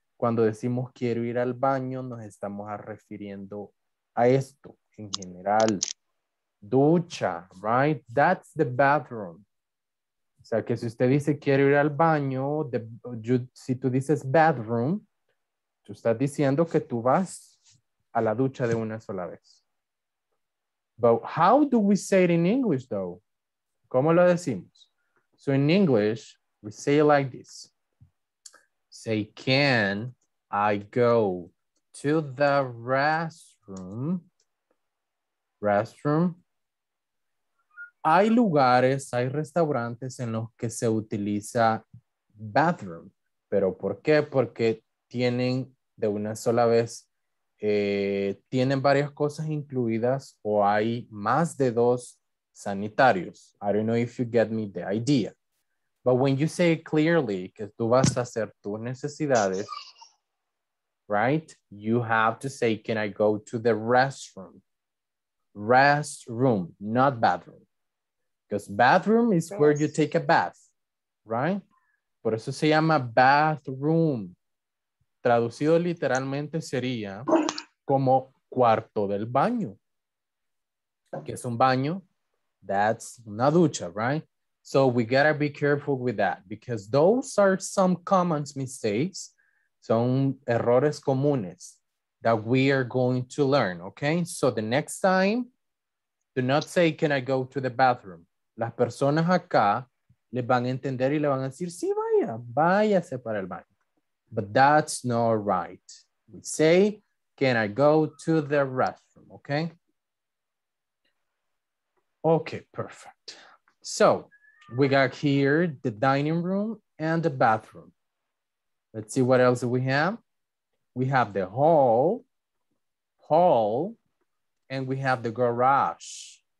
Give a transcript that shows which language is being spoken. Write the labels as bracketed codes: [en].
[es] Cuando decimos, quiero ir al baño, nos estamos refiriendo a esto en general. Ducha, [en] right? That's the bathroom. [es] O sea, que si usted dice, quiero ir al baño, si tú dices bathroom, tú estás diciendo que tú vas a la ducha de una sola vez. [en] But how do we say it in English, though? [es] ¿Cómo lo decimos? [en] So in English, we say it like this. Say, can I go to the restroom? Restroom. [es] Hay lugares, hay restaurantes en los que se utiliza bathroom. ¿Pero por qué? Porque tienen de una sola vez, tienen varias cosas incluidas o hay más de dos sanitarios. [en] I don't know if you get me the idea. But when you say clearly [es] que tú vas a hacer tus necesidades, [en] right? You have to say, can I go to the restroom? Restroom, not bathroom. Because bathroom is where you take a bath, right? [es] Por eso se llama bathroom. Traducido literalmente sería como cuarto del baño. Que es un baño, that's una ducha, right? [en] So we gotta be careful with that because those are some common mistakes. [es] Son errores comunes [en] that we are going to learn, okay? So the next time, do not say, can I go to the bathroom? [es] Las personas acá les van a entender y le van a decir, sí, vaya, váyase para el baño. [en] But that's not right. We say, can I go to the restroom, okay? Okay, perfect. So we got here the dining room and the bathroom. Let's see what else we have. We have the hall, and we have the garage.